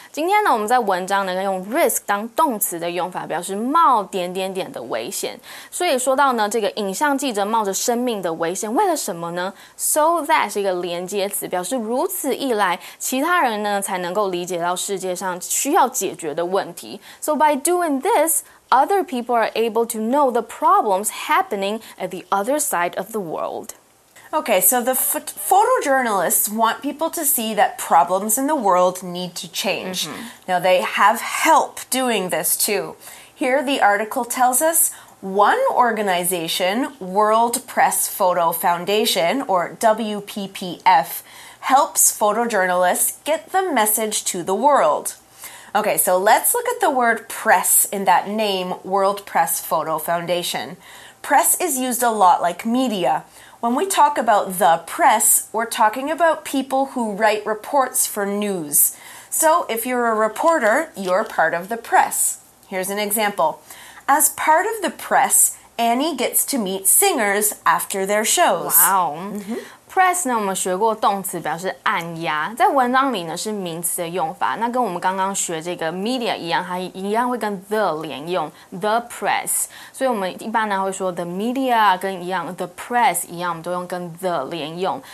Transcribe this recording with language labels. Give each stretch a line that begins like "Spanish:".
Chinese: 今天呢，我们在文章呢用 risk 当动词的用法，表示冒点点点的危险。所以说到呢，这个影像记者冒着生命的危险，为了什么呢 ？So that 是一个连接词，表示如此一来，其他人呢才能够理解到世界上需要解决的问题。
English: So by doing this. Other people are able to know the problems happening at the other side of the world. Okay, so the photojournalists want people to see that problems in the world need to change. Mm-hmm. Now, they have help doing this, too. Here, the article tells us one organization, World Press Photo Foundation, or WPPF, helps photojournalists get the message to the world. Okay, so let's look at the word press in that name, World Press Photo Foundation. Press is used a lot like media. When we talk about the press, we're talking about people who write reports for news. So if you're a reporter, you're part of the press. Here's an example. As part of the press, Annie gets to meet singers after their shows. Wow. Mm-hmm.
Chinese: Press 呢，我们学过动词表示按压，在文章里呢是名词的用法。那跟我们刚刚学这个 media 一样，它一样会跟 the 连用 the press。所以我们一般呢会说 the media 跟一样 the press 一样，我们都用跟 the 连用。